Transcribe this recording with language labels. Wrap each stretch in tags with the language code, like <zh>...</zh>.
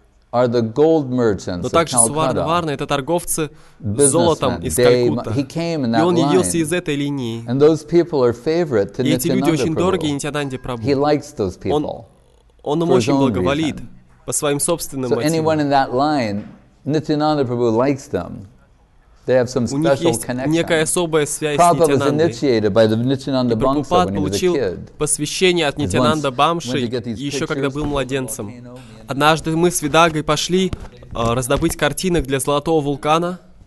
<en>Are the gold merchants of Calcutta.</en> <ru>Но также Суварна Варна — это торговцы золотом из Калькутты. И он явился из этой линии.</ru> <en>And those people are favorite to Nityananda.</en> <ru>И эти люди очень дороги Нитянанде Прабху.</ru> <en>He likes those people.</en> <ru>Он им очень благоволит по своим собственным мотивам.</ru> <en>So anyone in that line, Nityananda Prabhu likes them. They have some special connection.</en> <ru>У них есть некая особая связь с Нитянандой. Прабхупад получил посвящение от Нитянанда Бамши еще когда был младенцем. Однажды мы с Видагой пошли раздобыть картинок для золотого вулкана.</ru>